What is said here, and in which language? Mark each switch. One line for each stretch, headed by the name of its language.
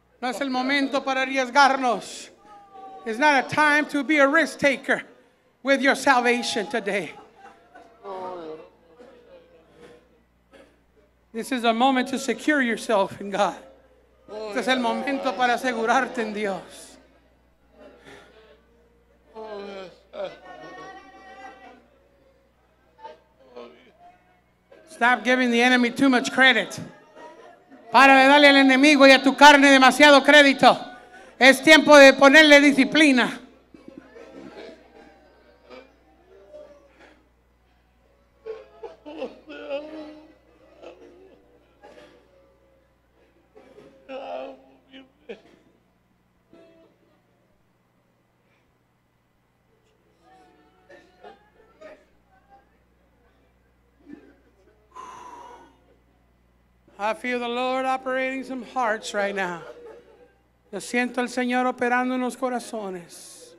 English: It's not a time to be a risk taker with your salvation today. This is a moment to secure yourself in God.
Spanish: Este es el momento para asegurarte en Dios.
English: Stop giving the enemy too much credit.
Spanish: Para de darle al enemigo y a tu carne demasiado crédito. Es tiempo de ponerle disciplina.
English: I feel the Lord operating some hearts right now.
Spanish: Yo siento al Señor operando en los corazones.